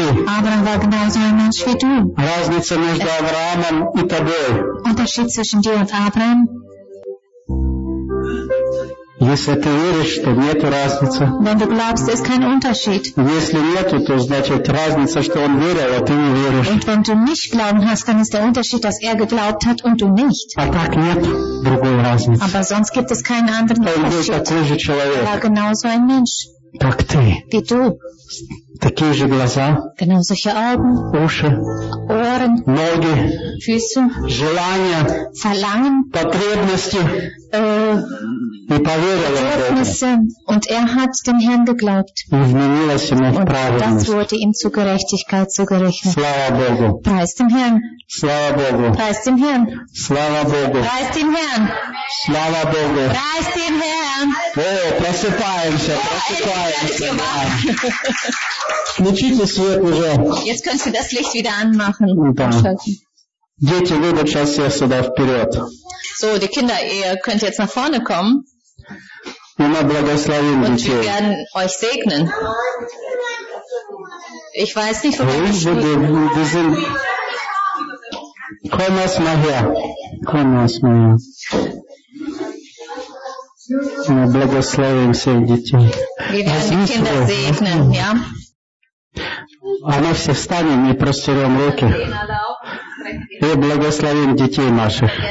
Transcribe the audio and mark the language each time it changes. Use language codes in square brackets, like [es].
[de] Abraham war genauso ein Mensch wie du. [ru] Разница между Авраамом и тобой. [de] Unterschied zwischen dir und Abraham. [ru] Если ты веришь, то нет разницы. [de] Wenn du glaubst, ist kein Unterschied. [ru] Если нет, то значит разница, что он верил, а ты не веришь. [de] Und wenn du nicht glauben hast, dann ist der Unterschied, dass er geglaubt hat und du nicht. [ru] А так нет другой разницы. [de] Aber sonst gibt es keinen anderen Unterschied. [ru] Он был такой же человек. [de] Er war genauso ein Mensch. [ru] Так ты. [de] Wie du. [ru] Такие же глаза. [de] Genau solche Augen. [ru] Уши. [de] Ohren. [ru] Ноги. [de] Füße. [ru] Желания. [de] Verlangen. [ru] Потребности. И поверил в Бога. [de] Und hat dem Herrn geglaubt. [ru] И вменилось ему в праведность. [de] Das wurde ihm zur Gerechtigkeit zugerechnet. [ru] Слава Богу. [de] Preist dem Herrn. [ru] Слава Богу. [de] Preist dem Herrn. [ru] Слава Богу. [de] Preist dem Herrn. [ru] Слава Богу. [de] Preist dem Herrn. [ru] Просыпаемся. Просыпаемся. Включите свет уже. [de] Jetzt könnt ihr das Licht wieder anmachen. [ru] Да. Дети, вы бы сейчас все сюда вперед. [de] So, die Kinder, ihr könnt jetzt nach vorne kommen. Und wir [ru] благословим детей. [de] Und wir werden euch segnen. Ich weiß nicht, wo wir stehen. Wir sind... Komm erst mal her. Komm erst mal her. Und wir [ru] благословим все детей. [de] Wir werden die Kinder segnen, ja. [ru] А мы все встанем и простерем руки и благословим детей наших.